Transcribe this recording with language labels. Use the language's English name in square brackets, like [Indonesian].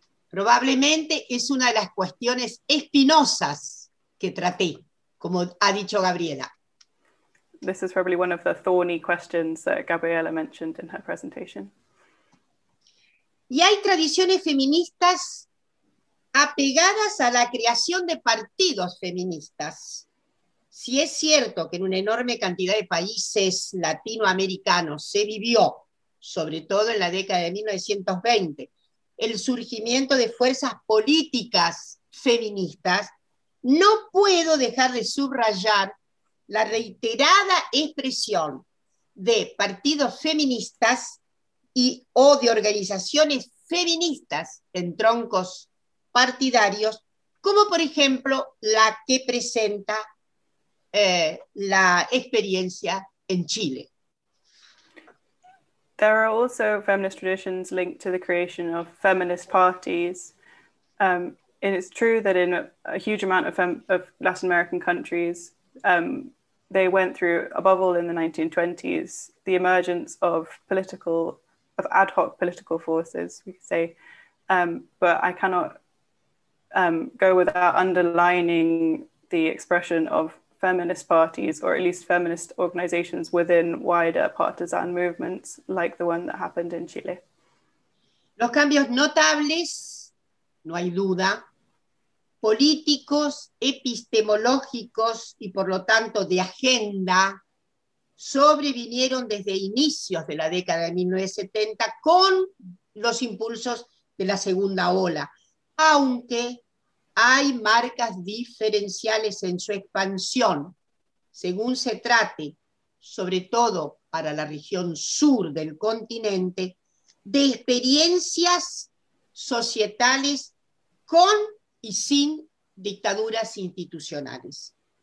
[Spanish] Probablemente es una de las cuestiones espinosas que traté, como ha dicho Gabriela. [English] This is probably one of the thorny questions that Gabriela mentioned in her presentation. [Spanish] Y hay tradiciones feministas apegadas a la creación de partidos feministas. Si es cierto que en una enorme cantidad de países latinoamericanos se vivió, sobre todo en la década de 1920, el surgimiento de fuerzas políticas feministas, no puedo dejar de subrayar la reiterada expresión de partidos feministas y o de organizaciones feministas en troncos partidarios, como por ejemplo la que presenta la experiencia en Chile. [English] There are also feminist traditions linked to the creation of feminist parties. And it's true that in a huge amount of Latin American countries, they went through, above all in the 1920s, the emergence of political, of ad hoc political forces, we could say. But I cannot go without underlining the expression of feminist parties, or at least feminist organizations within wider partisan movements, like the one that happened in Chile. [Spanish] Los cambios notables, no hay duda, políticos, epistemológicos y por lo tanto de agenda, sobrevinieron desde inicios de la década de 1970 con los impulsos de la segunda ola, aunque hay marcas diferenciales en su expansión, según se trate, sobre todo para la región sur del continente, de experiencias societales con y sin dictaduras institucionales.